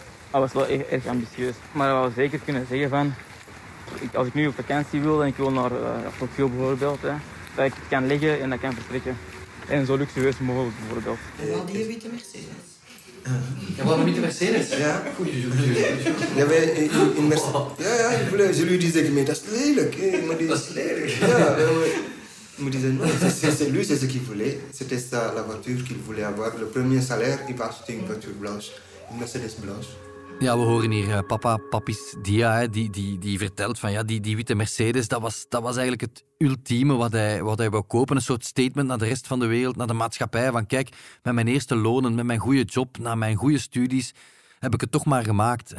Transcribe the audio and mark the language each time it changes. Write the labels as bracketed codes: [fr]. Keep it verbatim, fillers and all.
[nl] Hij was wel erg, erg ambitieus. Maar hij wou zeker kunnen zeggen van... als ik nu op vakantie wil en ik wil naar uh, Tokio bijvoorbeeld... Hè, dat ik kan liggen en dat kan vertrekken. En zo luxueus mogelijk bijvoorbeeld. Ja, die witte Mercedes. Ja, waarom niet de Mercedes? Ja, goed. Ja, maar in, in Mercedes... Ja, ja, jullie die zeggen, dat is lelijk. Dat is lelijk. Ja, maar die zeggen, [fr] c'est lui, c'est ce qu'il voulait. C'était ça, la voiture qu'il voulait avoir. Le premier salaire, il va acheter une voiture blanche. Une Mercedes blanche. [nl] Ja, we horen hier papa, papis Dia, die, die, die vertelt van ja, die, die witte Mercedes, dat was, dat was eigenlijk het ultieme wat hij, wat hij wou kopen. Een soort statement naar de rest van de wereld, naar de maatschappij. Van kijk, met mijn eerste lonen, met mijn goede job, na mijn goede studies, heb ik het toch maar gemaakt.